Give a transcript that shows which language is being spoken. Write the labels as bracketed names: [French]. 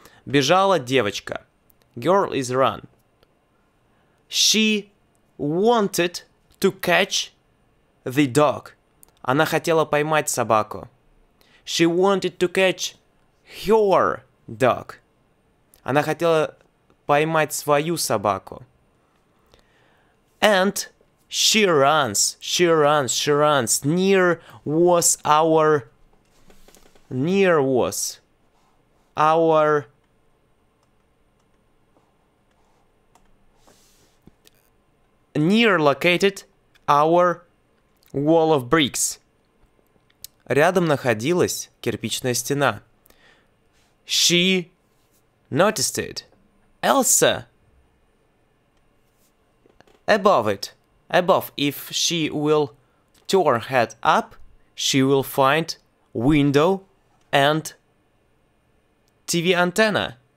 [Russian] Бежала девочка. [English] Girl is run. She wanted to catch the dog. [Russian] Она хотела поймать собаку. [English] She wanted to catch her dog. [Russian] Она хотела поймать свою собаку. [English] And she runs. Near was our near located our wall of bricks. [Russian] Рядом находилась кирпичная стена. [English] She noticed it. Elsa. Above it. Above. If she will turn head up, she will find window and TV antenna.